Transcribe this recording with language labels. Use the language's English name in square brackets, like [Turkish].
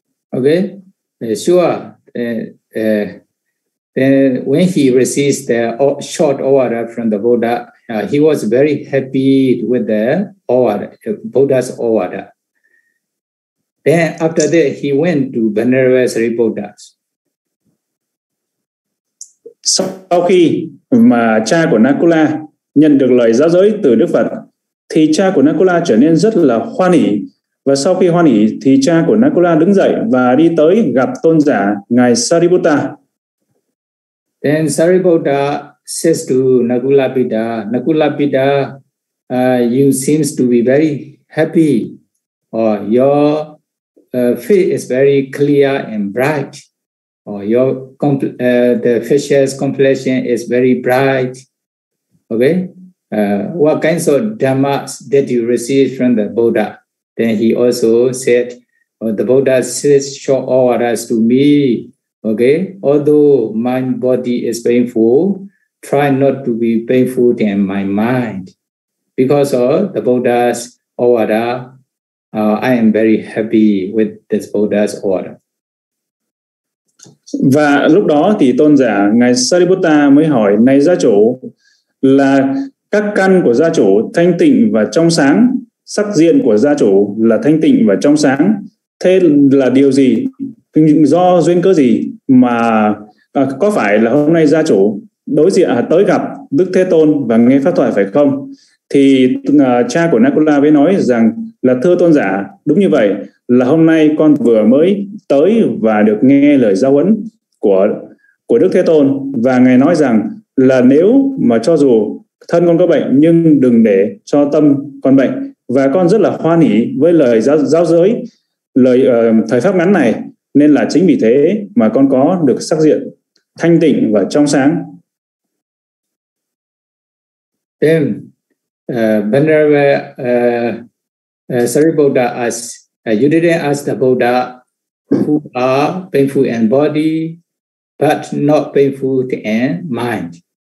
[English] Okay, sure. Then when he receives the short avada from the Buddha, he was very happy with the avada, Buddha's avada. Then after that, he went to Venerable Sri Buddha. [Vietnamese] Sau khi mà cha của Nakula nhận được lời giáo giới từ Đức Phật, thì cha của Nakula trở nên rất là hoan hỷ. Và sau khi hoan hỷ thì cha của Nakula đứng dậy và đi tới gặp tôn giả ngài Sariputta. [English] Then Sariputta says to Nakula Pita, Nakula Pita, you seems to be very happy, or your face is very clear and bright, or your the facial complexion is very bright. Okay? What kinds of dhammas did you receive from the Buddha? Then he also said, the Buddha says short avadas to me, okay? Although my body is painful, try not to be painful in my mind. Because of the Buddha's avada, I am very happy with this Buddha's avada. [Vietnamese] Và lúc đó thì tôn giả ngài Sariputta mới hỏi, này gia chủ, là các căn của gia chủ thanh tịnh và trong sáng, sắc diện của gia chủ là thanh tịnh và trong sáng, thế là điều gì, do duyên cớ gì mà có phải là hôm nay gia chủ đối diện tới gặp Đức Thế Tôn và nghe pháp thoại phải không? Thì cha của Nakula mới nói rằng là thưa tôn giả, đúng như vậy, là hôm nay con vừa mới tới và được nghe lời giáo huấn của Đức Thế Tôn, và ngài nói rằng là nếu mà cho dù thân con có bệnh nhưng đừng để cho tâm con bệnh. Và con rất là hoan hỷ với lời giáo giới, lời thời pháp ngắn này, nên là chính vì thế mà con có được sắc diện thanh tịnh và trong sáng. [English] Then, Venerable Sariputta asked, you didn't ask the Buddha who are painful in body, but not painful in mind.